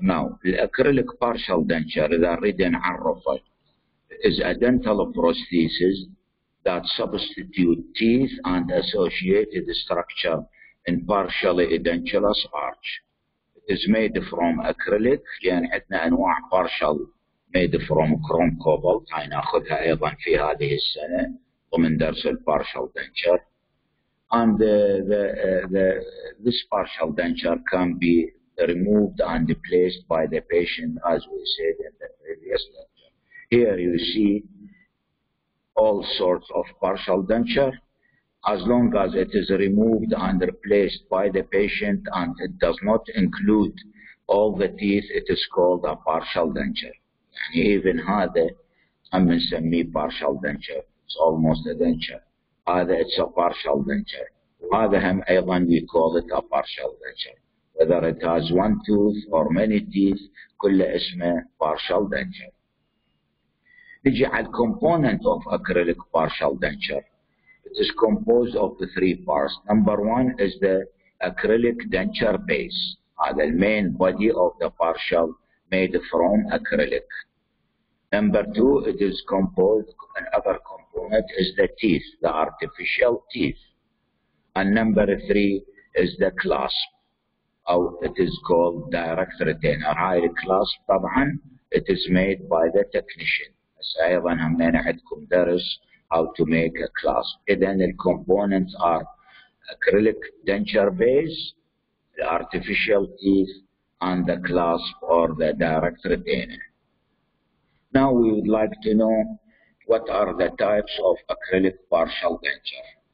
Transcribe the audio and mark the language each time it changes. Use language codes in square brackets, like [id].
[ar] ناو الأكريليك بارشال دنشر إذا نريد نعرفه [en] is a dental prosthesis that substitute teeth and associated structure in partially edentulous arch. is made from acrylic. [ar] يعني عندنا انواع [en] partial made from chrome cobalt, [ar] هاي ناخذها ايضا في هذه السنه ومن درس البارشال دنشر. [en] And this partial denture can be removed and replaced by the patient as we said in the previous lecture. Here you see all sorts of partial denture. As long as it is removed and replaced by the patient and it does not include all the teeth, it is called a partial denture. [ar] يعني even هذا عم نسميه partial denture. [en] It's almost a denture. [ar] هذا [en] it's a partial denture. [ar] هذا هم ايضا [en] we call it a partial denture. Whether it has one tooth or many teeth, [ar] كل اسمه [en] partial denture. [ar] نجي على [en] component of acrylic partial denture. It is composed of the three parts. Number one is the acrylic denture base, the main body of the partial made from acrylic. Number two, it is composed, another component is the teeth, the artificial teeth. And number three is the clasp, or it is called direct retainer. High clasp, طبعا, it is made by the technician. [ar] أيضا هم عندكم درس [en] how to make a clasp. Then the components are acrylic denture base, the artificial teeth, and the clasp or the direct retainer. Now we would like to know what are the types of acrylic partial denture.